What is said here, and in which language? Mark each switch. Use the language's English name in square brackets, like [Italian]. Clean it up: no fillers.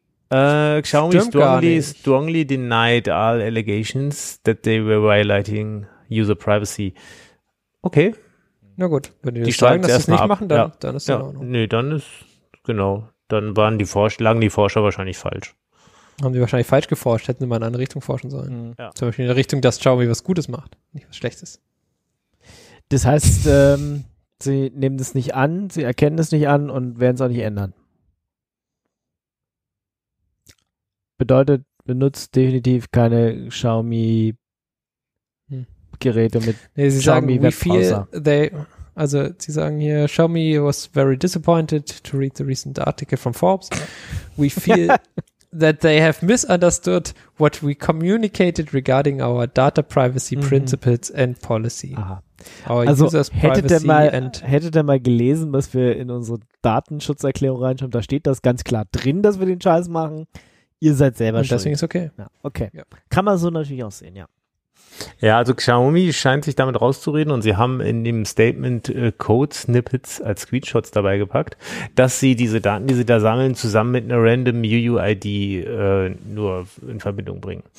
[English] Xiaomi strongly denied all allegations that they were violating user privacy. [German] Okay. Na gut, wenn die das sagen, dass sie es nicht machen, dann ist es in Ordnung. Nee, dann ist, genau, dann waren die lagen die Forscher wahrscheinlich falsch. Haben sie wahrscheinlich falsch geforscht, hätten sie mal in eine andere Richtung forschen sollen. Mhm. Ja. Zum Beispiel in der Richtung, dass Xiaomi was Gutes macht, nicht was Schlechtes. Das heißt, sie nehmen das nicht an, sie erkennen es nicht an und werden es auch nicht ändern. Bedeutet, benutzt definitiv keine Xiaomi-Geräte mit Xiaomi-Webbrowser. Also sie sagen hier, [English] Xiaomi was very disappointed to read the recent article from Forbes. We feel that they have misunderstood what we communicated regarding our data privacy principles and policy. [German] Aha. Also hättet ihr mal gelesen, was wir in unsere Datenschutzerklärung reinschreiben, da steht das ganz klar drin, dass wir den Scheiß machen. Ihr seid selber schuld. Deswegen ist okay. Ja, okay. Ja. Kann man so natürlich auch sehen, ja. Ja, also Xiaomi scheint sich damit rauszureden und sie haben in dem Statement Code-Snippets als Screenshots dabei gepackt, dass sie diese Daten, die sie da sammeln, zusammen mit einer random UUID nur in Verbindung bringen.